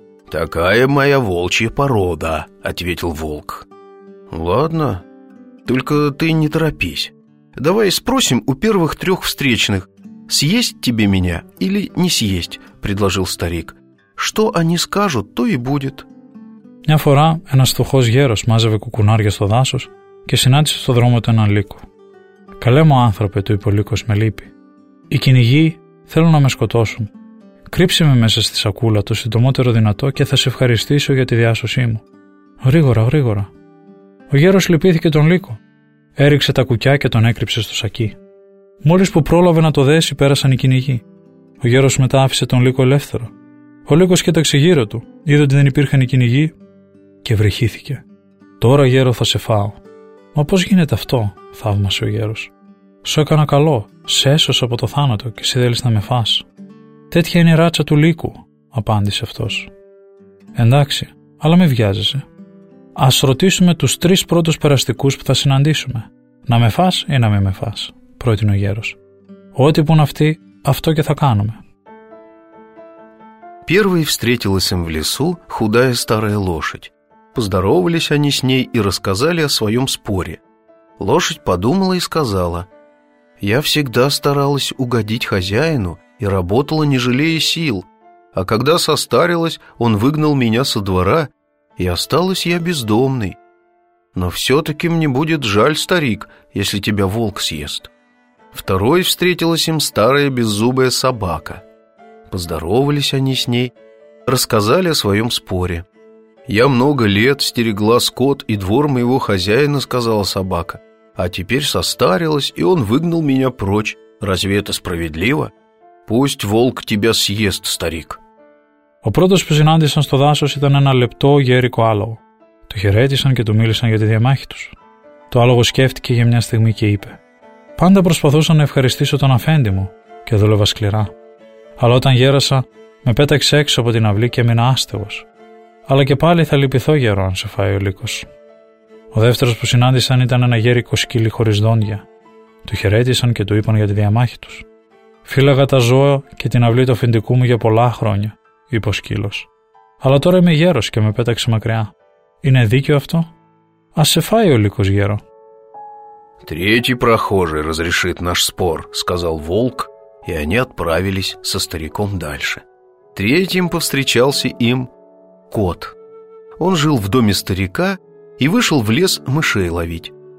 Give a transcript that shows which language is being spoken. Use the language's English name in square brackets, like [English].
[Russian] «Такая моя волчья порода», — ответил волк. «Ладно, только ты не торопись. Давай спросим у первых трех встречных, съесть тебе меня или не съесть?» — предложил старик. «Что они скажут, то и будет». [Greek] Μια φορά ένας φτωχός γέρος μάζευε κουκουνάρια στο δάσος και συνάντησε στο δρόμο του έναν λύκο. «Καλέ μου άνθρωπε», του είπε ο λύκος με λύπη. «Οι κυνηγοί θέλουν να με σκοτώσουν. Κρύψε με μέσα στη σακούλα το συντομότερο δυνατό και θα σε ευχαριστήσω για τη διάσωσή μου. Γρήγορα, γρήγορα». Ο γέρος λυπήθηκε τον λύκο. Έριξε τα κουκιά και τον έκρυψε στο σακί. Μόλις που πρόλαβε να το δέσει, πέρασαν οι κυνηγοί. Ο γέρος μετά άφησε τον λύκο ελεύθερο. Ο λύκος κοίταξε γύρω του, είδε ότι δεν υπήρχαν οι κυνηγοί και βρυχήθηκε. «Τώρα, γέρο, θα σε φάω». «Μα πώς γίνεται αυτό?» θαύμασε ο γέρος. «Σου έκανα καλό, σε έσωσα από το θάνατο και εσύ θέλεις να με φας». «Τέτοια είναι η ράτσα του λύκου», απάντησε αυτός. «Εντάξει, αλλά μην βιάζεσαι. Ας ρωτήσουμε τους τρεις πρώτους περαστικούς που θα συναντήσουμε. Να με φας ή να μην με φας», πρότεινε ο γέρος. «Ό,τι πουν αυτοί, αυτό και θα κάνουμε». [Russian] Первой встретилась им в лесу худая старая лошадь. Поздоровались они с ней и рассказали о своем споре. Лошадь подумала и сказала: «Я всегда старалась угодить хозяину и работала, не жалея сил. А когда состарилась, он выгнал меня со двора, и осталась я бездомной. Но все-таки мне будет жаль, старик, если тебя волк съест». Второй встретилась им старая беззубая собака. Поздоровались они с ней, рассказали о своем споре. «Я много лет стерегла скот и двор моего хозяина», — сказала собака. «А теперь состарилась, и он выгнал меня прочь. Разве это справедливо? Пусть волк тебя съест, старик». [Greek] Ο πρώτος που συνάντησαν στο δάσος ήταν ένα λεπτό γέρικο άλογο. Το χαιρέτησαν και του μίλησαν για τη διαμάχη τους. Το άλογο σκέφτηκε για μια στιγμή και είπε: «Πάντα προσπαθούσα να ευχαριστήσω τον αφέντη μου και δούλευα σκληρά. Αλλά όταν γέρασα, με πέταξε έξω από την αυλή και έμεινα άστεγος. Αλλά και πάλι θα λυπηθώ, γερό, αν σε φάει ο λύκος». Ο δεύτερος που συνάντησαν ήταν ένα γέρικο σκύλι χωρίς δόντια. Του χαιρέτησαν και του είπαν για τη διαμάχη τους. «Φύλαγα τα ζώα και την αυλή του αφεντικού μου για πολλά χρόνια», είπε ο σκύλος. «Αλλά τώρα είμαι γέρος και με πέταξε μακριά. Είναι δίκιο αυτό? Ας σε φάει ο λύκος, γέρο». [Russian] «Третий прохожий разрешит наш спор», сказал волк, и они отправились со стариком дальше. Третьим повстречался им кот. Он жил в доме старика и вышел в лес мышей ловить.